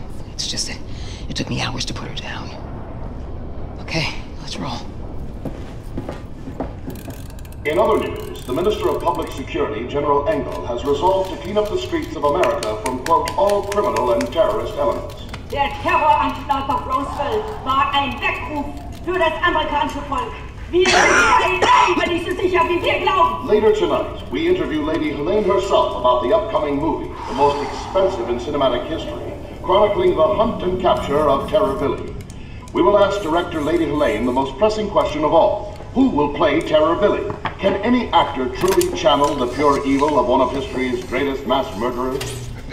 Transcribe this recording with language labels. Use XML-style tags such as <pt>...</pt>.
<en>It's just that it took me hours to put her down. Okay, let's roll. In other news, the Minister of Public Security, General Engel, has resolved to clean up the streets of America from, quote, all criminal and terrorist elements.</en> <de>Der Terroranschlag auf Roosevelt war ein Weckruf für das amerikanische Volk. Wir sind aber nicht so sicher, wie wir glauben.</de> <en>Later tonight, we interview Lady Helene herself about the upcoming movie, the most expensive in cinematic history, chronicling the hunt and capture of Terror Billy. We will ask director Lady Helene the most pressing question of all. Who will play Terror Billy? Can any actor truly channel the pure evil of one of history's greatest mass murderers?</en>